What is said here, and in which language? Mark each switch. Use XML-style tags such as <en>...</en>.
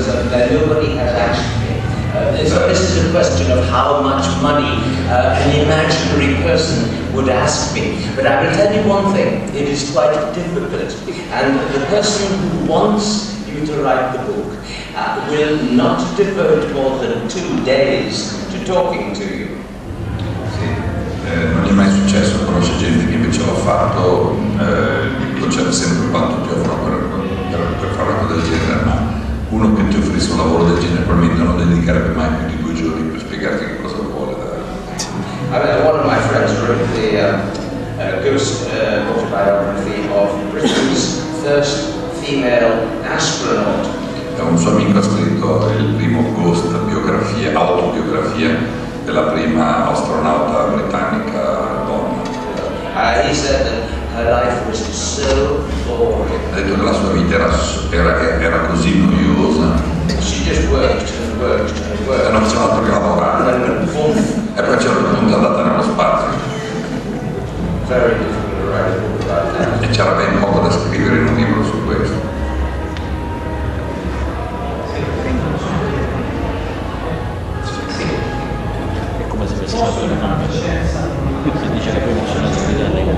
<en>This is a question of how much money an imaginary person would ask me. But I will tell you one thing, it is quite difficult. And the person who wants you to write the book will not devote more than 2 days to talking to you.</en> <it>Sì, non è mai successo, conosce gente che invece l'ha fatto, lo c'è sempre quanto ti offro per fare una cosa del genere, ma uno che ti offrisse un lavoro del genere probabilmente non dedicherebbe mai più di 2 giorni per spiegarti che cosa vuole.</it> <en>One of my friends wrote the ghost autobiography of Britain's first female astronaut.</en> <it>È un suo amico, ha scritto il primo ghost biografia, autobiografia della prima astronauta britannica donna.</it> <en>He said that her life was so boring.</en> <it>Ha detto che la sua vita era così noiosa.</it> <en>She just worked and worked and worked.</en> <it>E non faceva altro che lavorare. E poi c'era un punto andata nello spazio.</it> <en>Very difficult to write a book about that.</en> <it>E c'era ben poco da scrivere in un libro su questo. È come se avessi fatto una mano. Si dice che poi non c'è una sfida.</it>